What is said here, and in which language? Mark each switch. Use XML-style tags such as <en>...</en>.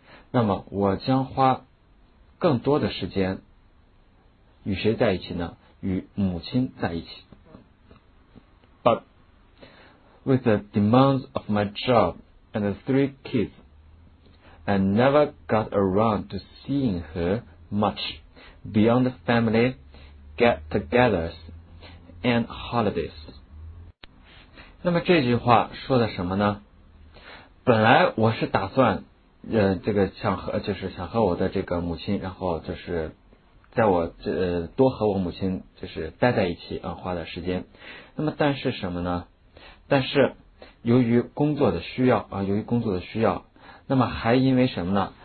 <zh>那么我将花更多的时间与谁在一起呢？与母亲在一起。</zh> <en>But with the demands of my job and the 3 kids, I never got around to seeing her much beyond family get-togethers and holidays。</en> <zh>那么这句话说的什么呢？本来我是打算想和我的这个母亲，然后就是在我多和我母亲就是待在一起啊，花的时间。那么但是什么呢？但是由于工作的需要啊，由于工作的需要，那么还因为什么呢？</zh>